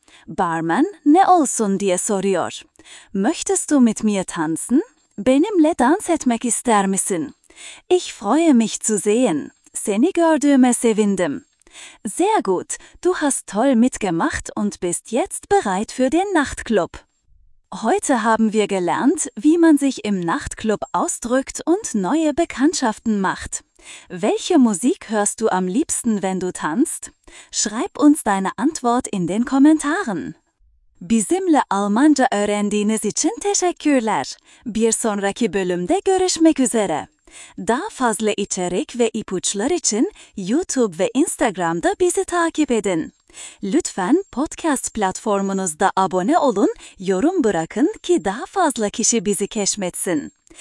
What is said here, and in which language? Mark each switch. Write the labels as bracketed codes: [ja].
[tr] Barman, ne olsun diye soruyor. [de] Möchtest du mit mir tanzen? [tr] Benimle dans etmek ister misin? [de] Ich freue mich zu sehen. [tr] Seni gördüğüme sevindim. [de] Sehr gut, du hast toll mitgemacht und bist jetzt bereit für den Nachtclub. Heute haben wir gelernt, wie man sich im Nachtclub ausdrückt und neue Bekanntschaften macht. Welche Musik hörst du am liebsten, wenn du tanzt? Schreib uns deine Antwort in den Kommentaren. [tr] Bizimle Almanca öğrendiğiniz için teşekkürler. Bir sonraki bölümde görüşmek üzere. Daha fazla içerik ve ipuçlar için YouTube ve Instagram'da bizi takip edin. Lütfen podcast platformunuzda abone olun, yorum bırakın ki daha fazla kişi bizi keşfetsin.